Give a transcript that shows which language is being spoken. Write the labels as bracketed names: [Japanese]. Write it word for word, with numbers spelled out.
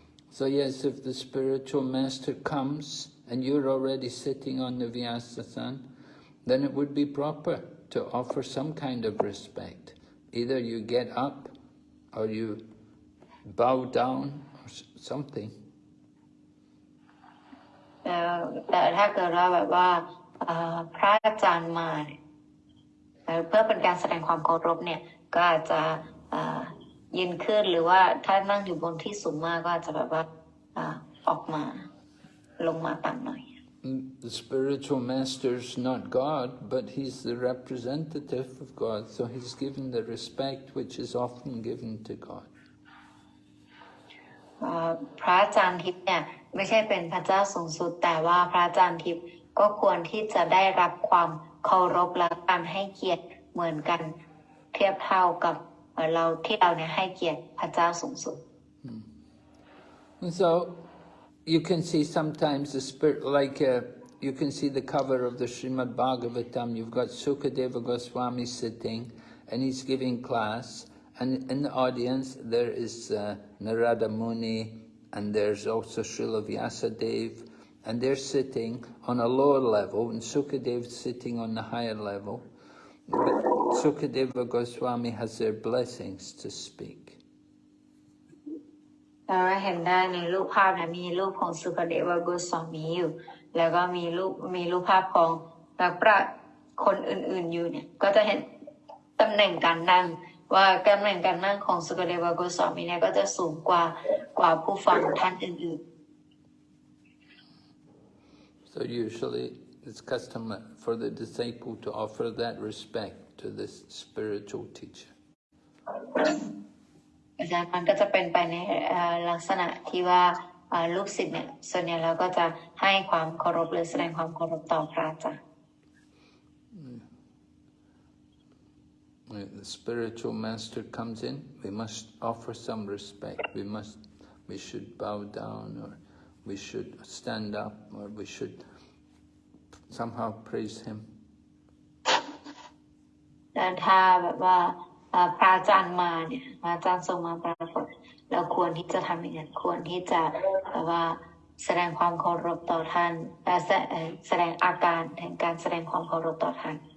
[English] So yes, if the spiritual master comes and you're already sitting on the Vyasasan, then it would be proper to offer some kind of respect. Either you get up or you bow down or something. [Thai] แต่ถ้าเกิดว่าแบบว่าพระอาจารย์มาเพื่อเป็นการแสดงความเคารพเนี่ยก็อาจจะยืนขึ้นหรือว่าถ้านั่งอยู่บนที่สูงมากก็อาจจะแบบว่าออกมาลงมาต่ำหน่อย [English] The spiritual master's not God, but he's the representative of God, so he's given the respect which is often given to God. [Thai] พระอาจารย์ทิพย์เนี่ยไม่ใช่เป็นพระเจ้าสูงสุดแต่ว่าพระอาจารย์ทิพย์ก็ควรที่จะได้รับความเคารพและการให้เกียรติเหมือนกันเทียบเท่ากับเราที่เราเนี่ยให้เกียรติพระเจ้าสูงสุด [English] And so you can see sometimes the spirit like uh, you can see the cover of the Srimad Bhagavatam. You've got Sukadeva Goswami sitting and he's giving class, and in the audience there is uh, Narada Muni, and there's also Srila Vyasadeva, and they're sitting on a lower level and Sukadeva's sitting on the higher level. But Sukadeva Goswami has their blessings to speak. [Thai] เราเห็นได้ในรูปภาพนะมีรูปของ Sukadeva Goswami อยู่แล้วก็มีรูปมีรูปภาพของนักปราชญ์คนอื่นๆอยู่เนี่ยก็จะเห็นตำแหน่งการนั่งว่าตำแหน่งการนั่งของ Sukadeva Goswami เนี่ยก็จะสูงกว่ากว่าผู้ฟังท่านอื่น [English] ๆ So usually it's custom for the disciple to offer that respect to this spiritual teacher. [Thai] อาจารย์มันก็จะเป็นไปในลักษณะที่ว่าลูกศิษย์เนี่ยส่วนใหญ่แล้วก็จะให้ความเคารพหรือแสดงความเคารพต่อพระอาจารย์ [English] When the spiritual master comes in, we must offer some respect. We must, we should bow down, or we should stand up, or we should somehow praise him. [Thai] แต่ถ้าแบบว่าพระอาจารย์มาเนี่ยพระอาจารย์ทรงมาปรากฏเราควรที่จะทำอย่างนั้นควรที่จะแบบว่าแสดงความเคารพต่อท่านและแสดงอาการแห่งการแสดงความเคารพต่อท่าน